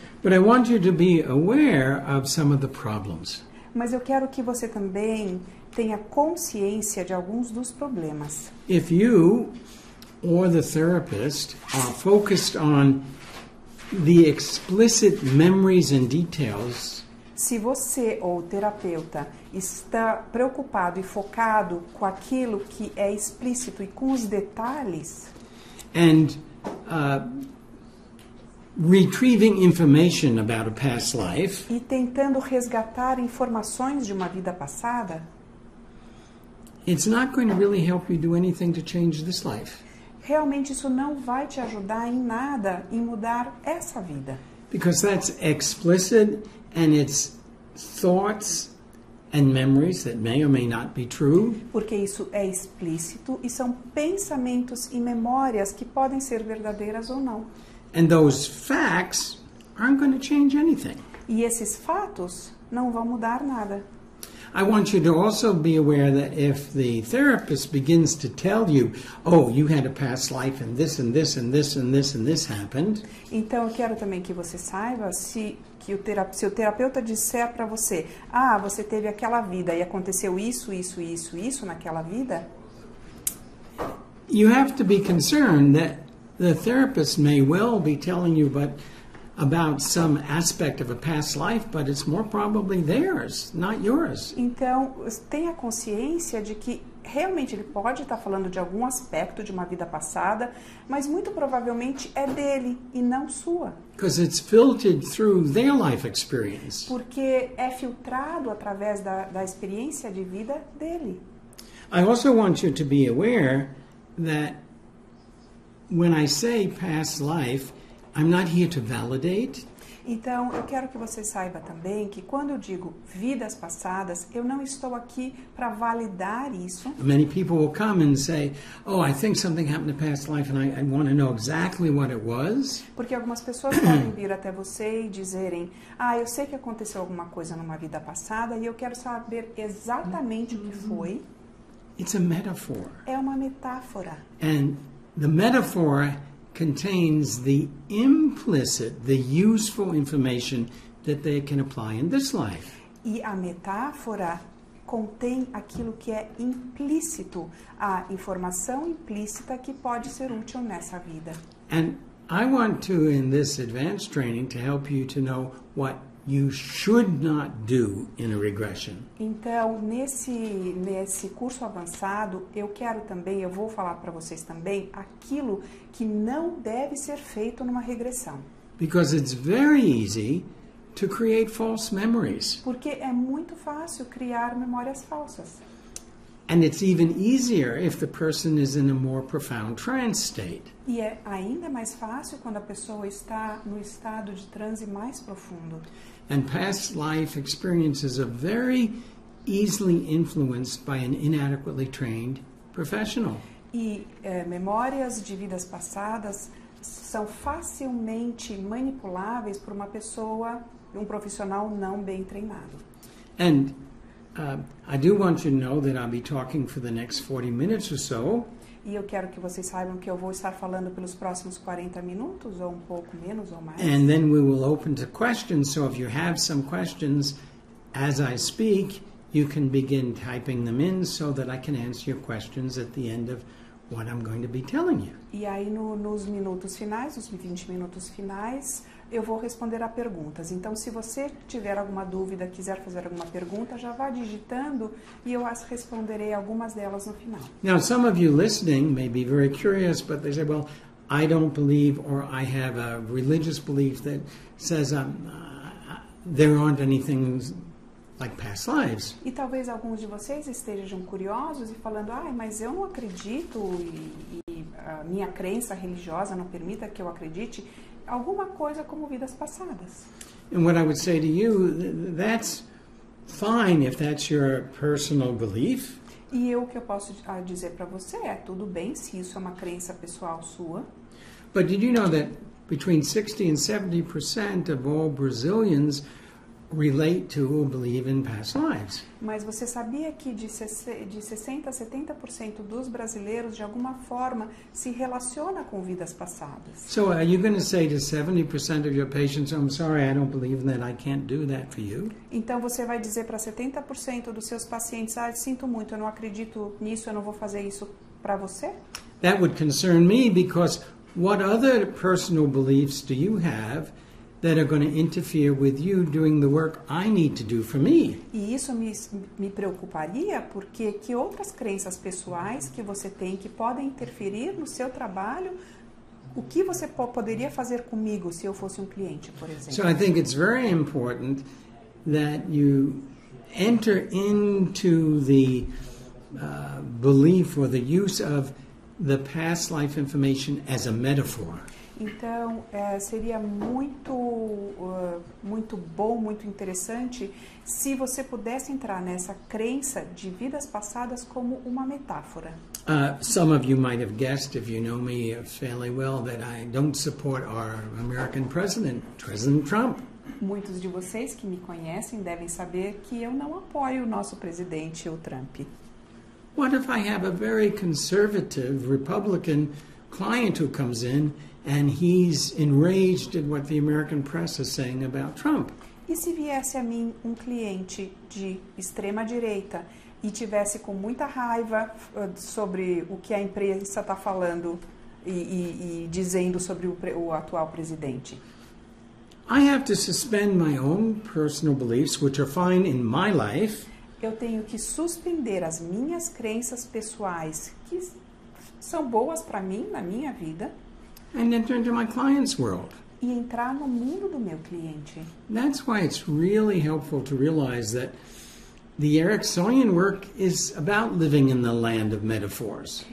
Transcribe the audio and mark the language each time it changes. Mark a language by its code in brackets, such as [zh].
[en] But I want you to be aware of some of the problems. [pt] Mas eu quero que você também tenha consciência de alguns dos problemas. [en] If you or the therapist are focused on the explicit memories and details. [pt] Se você ou o terapeuta está preocupado e focado com aquilo que é explícito e com os detalhes, [en] and retrieving information about a past life, [pt] e tentando resgatar informações de uma vida passada, [en] it's not going to really help you do anything to change this life. [pt] Realmente isso não vai te ajudar em nada em mudar essa vida. [en] Because that's explicit and it's thoughts and memories that may or may not be true. [pt] Porque isso é explícito e são pensamentos e memórias que podem ser verdadeiras ou não. [en] And those facts aren't going to change anything. [pt] E esses fatos não vão mudar nada. [en] I want you to also be aware that if the therapist begins to tell you, oh, you had a past life and this and this and this and this and this happened. [pt] Então, eu quero também que você saiba se o terapeuta disser para você, ah, você teve aquela vida e aconteceu isso, isso, isso, isso naquela vida. [en] You have to be concerned that the therapist may well be telling you, but about some aspect of a past life, but it's more probably theirs, not yours. [pt] Então, tenha consciência de que realmente ele pode estar falando de algum aspecto de uma vida passada, mas muito provavelmente é dele e não sua. [en] Because it's filtered through their life experience. [pt] Porque é filtrado através da experiência de vida dele. [en] I also want you to be aware that when I say past life, I'm not here to validate. [pt] Então, eu quero que você saiba também que quando eu digo vidas passadas, eu não estou aqui para validar isso. [en] Many people will come and say, "Oh, I think something happened in a past life and I want to know exactly what it was." [pt] Porque algumas pessoas podem vir até você e dizerem, "Ah, eu sei que aconteceu alguma coisa numa vida passada e eu quero saber exatamente o que foi." [en] It's a metaphor. [pt] É uma metáfora. [en] And the metaphor contains the implicit, the useful information that they can apply in this life. [pt] E a metáfora contém aquilo que é implícito, a informação implícita que pode ser útil nessa vida. [en] And I want to, in this advanced training, to help you to know what you should not do in a regression. [pt] Então, nesse curso avançado, eu quero também, eu vou falar para vocês também aquilo que não deve ser feito numa regressão. [en] Because it's very easy to create false memories. [pt] Porque é muito fácil criar memórias falsas. [en] And it's even easier if the person is in a more profound trance state. [pt] E é ainda mais fácil quando a pessoa está no estado de transe mais profundo. [en] And past life experiences are very easily influenced by an inadequately trained professional. [pt] E memórias de vidas passadas são facilmente manipuláveis por uma pessoa, um profissional não bem treinado. [en] And I do want you to know that I'll be talking for the next 40 minutes or so. [pt] E eu quero que vocês saibam que eu vou estar falando pelos próximos 40 minutos ou um pouco menos ou mais. [en] And then we will open to questions, so if you have some questions as I speak, you can begin typing them in so that I can answer your questions at the end of what I'm going to be telling you. [pt] E aí nos minutos finais, nos 20 minutos finais, eu vou responder a perguntas. Então, se você tiver alguma dúvida, quiser fazer alguma pergunta, já vá digitando e eu as responderei algumas delas no final. [en] Now, some of you listening may be very curious, but they say, well, I don't believe or I have a religious belief that says there aren't any things like past lives. [pt] E talvez alguns de vocês estejam curiosos e falando, ah, mas eu não acredito e a minha crença religiosa não permita que eu acredite alguma coisa como vidas passadas. [en] And what I would say to you, that's fine if that's your personal belief. [pt] E eu, o que eu posso dizer para você é tudo bem se isso é uma crença pessoal sua. [en] But did you know that between 60 and 70% of all Brazilians relate to or believe in past lives? [pt] Mas você sabia que de 60 a 70% dos brasileiros de alguma forma se relaciona com vidas passadas? [en] So are you going to say to 70% of your patients, I'm sorry, I don't believe in that, I can't do that for you? [pt] Então você vai dizer para 70% dos seus pacientes, ah, sinto muito, eu não acredito nisso, eu não vou fazer isso para você? [en] That would concern me, because what other personal beliefs do you have that are going to interfere with you doing the work I need to do for me? [pt] E isso me preocuparia, porque que outras crenças pessoais que você tem que podem interferir no seu trabalho, o que você poderia fazer comigo se eu fosse um cliente, por exemplo? [en] So I think it's very important that you enter into the belief or the use of the past life information as a metaphor. [pt] Então, seria muito, muito bom, muito interessante se você pudesse entrar nessa crença de vidas passadas como uma metáfora. [en] Some of you might have guessed, if you know me fairly well, that I don't support our American president, President Trump. [pt] Muitos de vocês que me conhecem devem saber que eu não apoio o nosso presidente, o Trump. [en] What if I have a very conservative Republican client who comes in and he's enraged at what the American press is saying about Trump? [pt] E se viesse a mim um cliente de extrema direita e tivesse com muita raiva sobre o que a imprensa está falando e dizendo sobre o atual presidente? [en] I have to suspend my own personal beliefs, which are fine in my life. [pt] Eu tenho que suspender as minhas crenças pessoais, que são boas para mim na minha vida. [en] And enter into my client's world. [pt] E entrar no mundo do meu cliente. [en] That's why it's really helpful to realize that the Ericksonian work is about living in the land of metaphors.